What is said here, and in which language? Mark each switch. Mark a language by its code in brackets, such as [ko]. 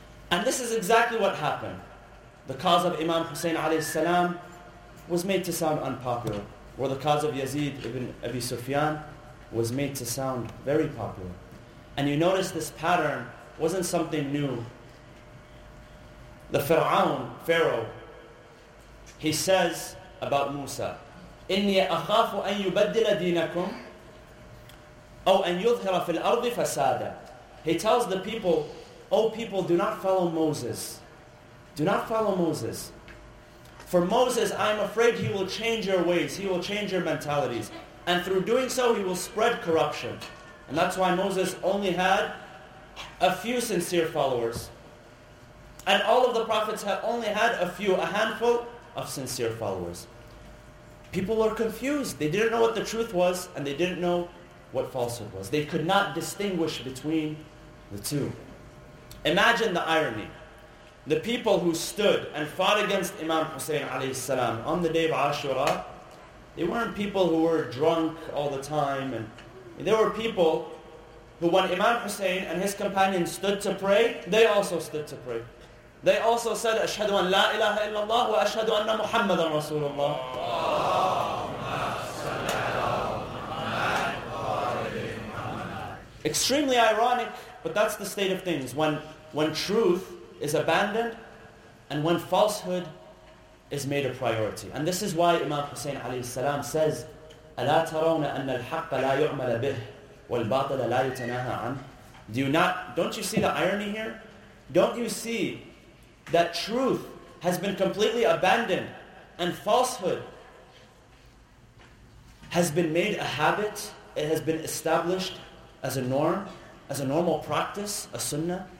[en] And this is exactly what happened. The cause of Imam Hussein alayhi salam was made to sound unpopular. Or the cause of Yazid ibn Abi Sufyan was made to sound very popular. And you notice this pattern wasn't something new. The Fir'aun, Pharaoh, he says about Musa, [ar] إِنِّي أَخَافُ أَن يُبَدِّلَ دِينَكُمْ أَوْ أَن يُظْهِرَ فِي الْأَرْضِ فَسَادًا. [en] He tells the people, O people, do not follow Moses. Do not follow Moses. For Moses, I am afraid he will change your ways, he will change your mentalities. And through doing so, he will spread corruption. And that's why Moses only had a few sincere followers. And all of the prophets had only had a few, a handful of sincere followers. People were confused. They didn't know what the truth was, and they didn't know what falsehood was. They could not distinguish between the two. Imagine the irony. The people who stood and fought against Imam Hussein alayhi salam on the day of Ashura, they weren't people who were drunk all the time. And there were people who, when Imam Hussein and his companions stood to pray, they also stood to pray. They also said, [ar] أَشْهَدُ أَنْ لَا إِلَهَ إِلَّا اللَّهُ وَأَشْهَدُ أَنَّ مُحَمَّدًا رَسُولُ اللَّهُ. [en] Extremely ironic, but that's the state of things. When truth is abandoned and when falsehood is made a priority. And this is why Imam Hussein alayhi salam says, [ar] أَلَا تَرَوْنَ أَنَّ الْحَقَّ لَا يُعْمَلَ بِهِ وَالْبَاطِلَ لَا يُتَنَاهَا عَنْهِ. [en] Don't you see the irony here? Don't you see that truth has been completely abandoned and falsehood has been made a habit, it has been established as a norm, as a normal practice, a sunnah?